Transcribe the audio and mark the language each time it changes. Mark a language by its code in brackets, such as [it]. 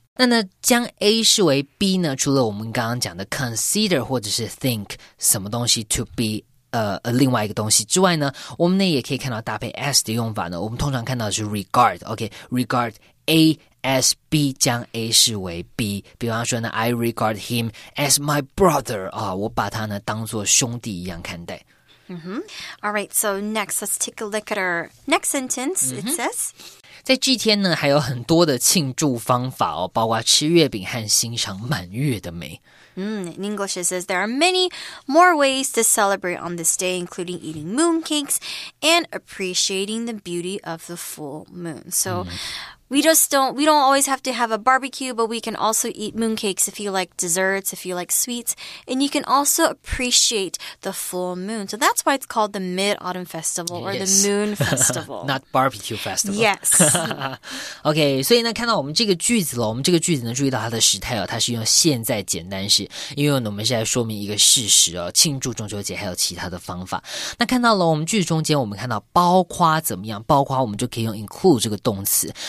[zh] 那呢将 A 视为 B 呢，除了我们刚刚讲的 consider 或者是 think 什么东西 to be另外一个东西之外呢，我们呢也可以看到搭配 S 的用法呢，我们通常看到的是 regard, OK, [en] regard AS B [zh] 将 A 视为 B, 比方说呢 [en] I regard him as my brother, [zh] 啊，我把他呢当作兄弟一样看待。 [en] Mm-hmm. All right, so next, let's take a look at our next sentence. It says, [zh] 在这天呢还有很多的庆祝方法哦，包括吃月饼和欣赏满月的美。 [en] In English, it says, there are many more ways to celebrate on this day, including eating mooncakes and appreciating the beauty of the full moon. So,We don't always have to have a barbecue, but we can also eat mooncakes if you like desserts, if you like sweets, and you can also appreciate the full moon. So that's why it's called the Mid-Autumn Festival, or the Moon Festival. Not barbecue festival. Yes. [zh] OK, 所以呢看到我们这个句子了，我们这个句子呢注意到它的时态哦，它是用现在简单式，因为呢我们是在说明一个事实哦，庆祝中秋节还有其他的方法。那看到了我们句子中间我们看到包括怎么样，包括我们就可以用 include 这个动词。